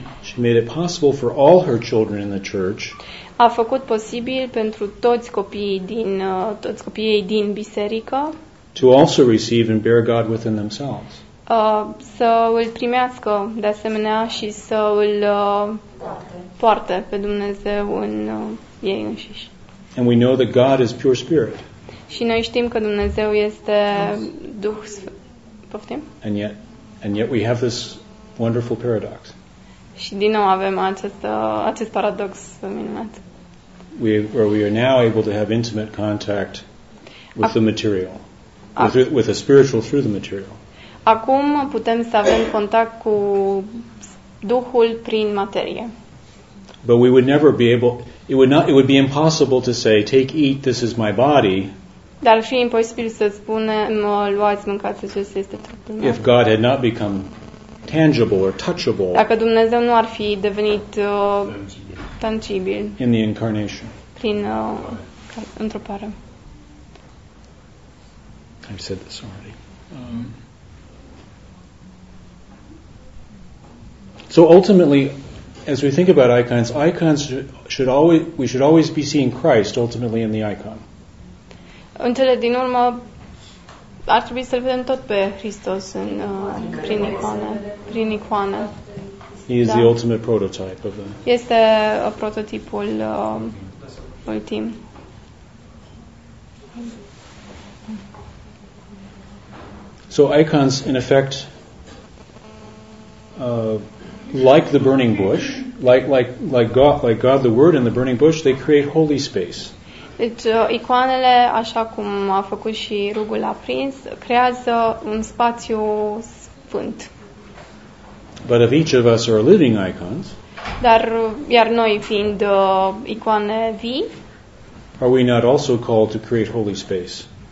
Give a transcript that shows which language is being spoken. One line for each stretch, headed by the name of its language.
English: She made it possible for all her children in the church.
Romanian: A făcut posibil pentru toți copiii din toți copiii ei din biserică.
English: To also receive and bear God within themselves.
Romanian: Să îl primească de asemenea și să îl poarte pe Dumnezeu în ei înșiși.
English: And we know that God is pure spirit.
Romanian: Și noi știm că Dumnezeu este Duh Sfânt. Poftim?
English: And yet we have this wonderful paradox.
Romanian: Și din nou avem acest paradox minunat.
English: We are now able to have intimate contact with the material. With the spiritual through the material.
Romanian: Acum putem să avem contact cu Duhul prin materie.
English: But we would never be able. It would be impossible to say, take, eat, this is my body.
Romanian: Dar fi imposibil să spunem, luați, mâncați, acesta este trupul meu.
English: If God had not become tangible or touchable.
Romanian: Dacă Dumnezeu nu ar fi devenit tangibil.
English: In the incarnation.
Romanian: Prin întrupare.
English: I've said this already. So ultimately, as we think about icons should always we should always be seeing Christ ultimately in the icon.
Romanian: În cele din urmă ar trebui să-l vedem tot pe Hristos în prin icoane, prin icoane.
English: He is the ultimate prototype of the.
Romanian: Este prototipul ultim.
English: So icons in effect like the burning bush, like God the Word in the burning bush, they create holy space.
Romanian: Deci, icoanele, așa cum a făcut și rugul aprins, creează un spațiu sfânt.
English: But if each of us are living icons,
Romanian: dar iar noi fiind icoane vii,
English: are we not also called to create holy space?